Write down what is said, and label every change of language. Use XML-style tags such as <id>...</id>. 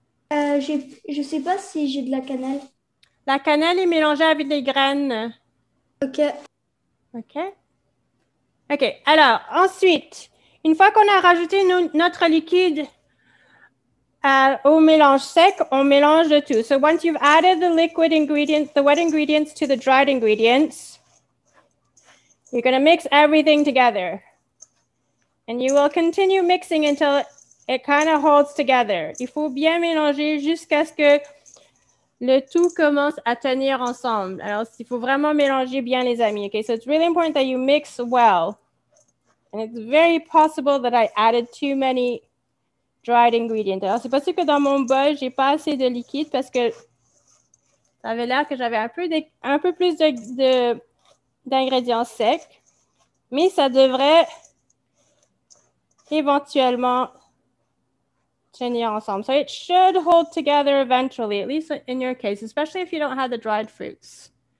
<fr>Je ne sais pas si j'ai de la cannelle. La cannelle est mélangée avec des graines. OK. OK. OK. Alors, ensuite, une fois qu'on a rajouté notre liquide au mélange sec, on mélange le tout.</fr> <en>So once you've added the liquid ingredients, the wet ingredients to the dried ingredients, you're going to mix everything together. And you will continue mixing until it kind of holds together.</en> <fr>Il faut bien mélanger jusqu'à ce que le tout commence à tenir ensemble. Alors, il faut vraiment mélanger bien, les amis.</fr> <en>Okay, so it's really important that you mix well. And it's very possible that I added too many dried ingredients.</en> <fr>Alors, c'est possible que dans mon bol, j'ai pas assez de liquide parce que ça avait l'air que j'avais un peu plus d'ingrédients secs. Mais ça devrait éventuellement tenir ensemble.</fr> <en>So it should hold together eventually, at least in your case, especially if you don't have the dried fruits.</en>